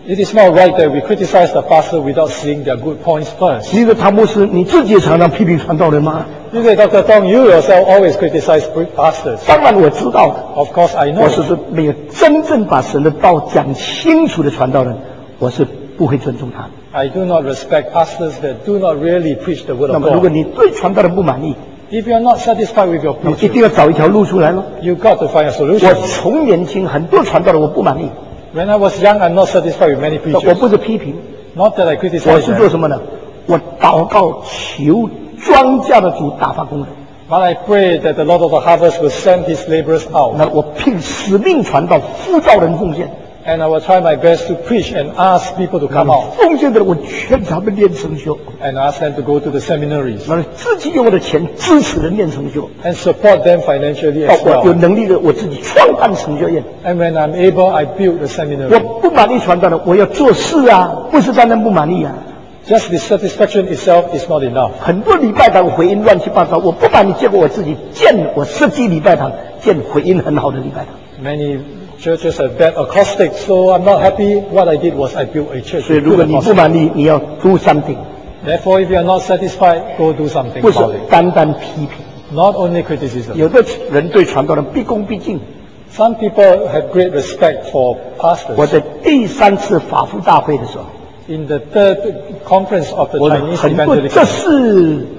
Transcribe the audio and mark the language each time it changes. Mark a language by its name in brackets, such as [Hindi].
[English] It is not right that we criticize the pastor without seeing their good points first [Chinese] 你的唐牧师你自己也常常批评传道人吗 [English] You say Dr. Tong you yourself always criticize pastors [Chinese] 当然我知道 [English] Of course I know [Chinese] 我是没有真正把神的道讲清楚的传道人 我是不会尊重他 [English] I do not respect pastors that do not really preach the word of God [Chinese] 那么如果你对传道人不满意 [English] If you are not satisfied with your preaching, [Chinese] 你一定要找一条路出来咯 [English] You've got to find a solution [Chinese] 我从年轻很多传道人我不满意 [English] When I was young, I'm not satisfied with many preachers [Chinese] 我不是批评 [English] Not that I criticize [Chinese] 我是做什么呢 我祷告求庄稼的主打发工人 [English] But I pray that the Lord of the harvest will send his laborers out [Chinese] 那我拼死命传道，呼召人奉献 [English] And I will try my best to preach and ask people to come out. [Chinese] 奉献的人，我劝他们念神学。 [English] And ask them to go to the seminaries. [Chinese] 自己用我的钱支持人念神学。 [English] And support them financially as well. [Chinese] 有能力的，我自己创办神学院。 [English] And when I'm able, I build the seminary. [Chinese] 我不满意传道的，我要做事啊，不是单单不满意啊。 [English] Just dissatisfaction itself is not enough. [Chinese] 很多礼拜堂回音乱七八糟，我不满意，结果我自己建我设计礼拜堂，建回音很好的礼拜堂。 [English] Many churches are bad acoustic, so I'm not happy. What I did was I built a church. [Chinese] 所以，如果你不满意，你要 [English] do something. Therefore, if you are not satisfied, go do something. [Chinese] 不是单单批评， [English] not only criticism. [Chinese] 有的人对传道人毕恭毕敬。 [English] Some people have great respect for pastors. [Chinese] 我在第三次法夫大会的时候， [English] in the third conference of the Chinese Evangelical Church,